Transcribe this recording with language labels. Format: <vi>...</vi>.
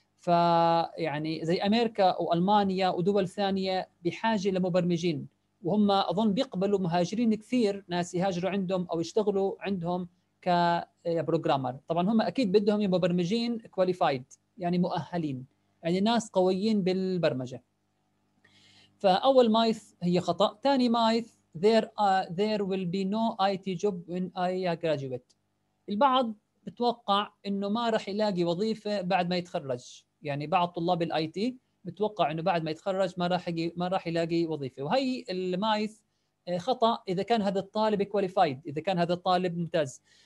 <ar>فيعني زي أمريكا وألمانيا ودول ثانية بحاجة لمبرمجين، وهم أظن بيقبلوا مهاجرين كثير، ناس يهاجروا عندهم أو يشتغلوا عندهم كبروغرامر. طبعا هم اكيد بدهم مبرمجين كواليفايد، يعني مؤهلين، يعني ناس قويين بالبرمجه. فاول مايث هي خطا. ثاني مايث</ar> <en>there will be no IT job when I graduate.</en> <ar>البعض بتوقع انه ما راح يلاقي وظيفه بعد ما يتخرج، يعني بعض طلاب الاي تي بتوقع انه بعد ما يتخرج ما راح يلاقي وظيفه، وهي المايث خطأ. إذا كان هذا الطالب كواليفايد، إذا كان هذا الطالب ممتاز،</ar>